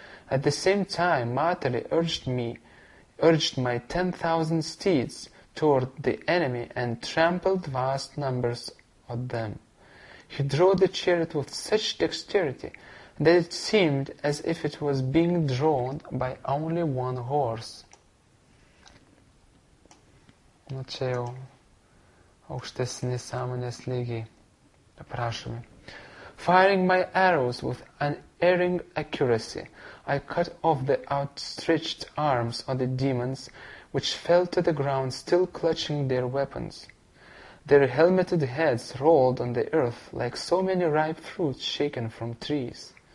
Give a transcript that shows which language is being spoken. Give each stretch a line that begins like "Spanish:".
English: At the same time, Matali urged my 10,000 steeds toward the enemy and trampled vast numbers of them. He drove the chariot with such dexterity that it seemed as if it was being drawn by only one horse.
Lithuanian: Nu čia jau aukštesni sąmonės lygiai aprašomi.
English: Firing my arrows with unerring accuracy, I cut off the outstretched arms of the demons, which fell to the ground still clutching their weapons. Their helmeted heads rolled on the earth like so many ripe fruits shaken from trees.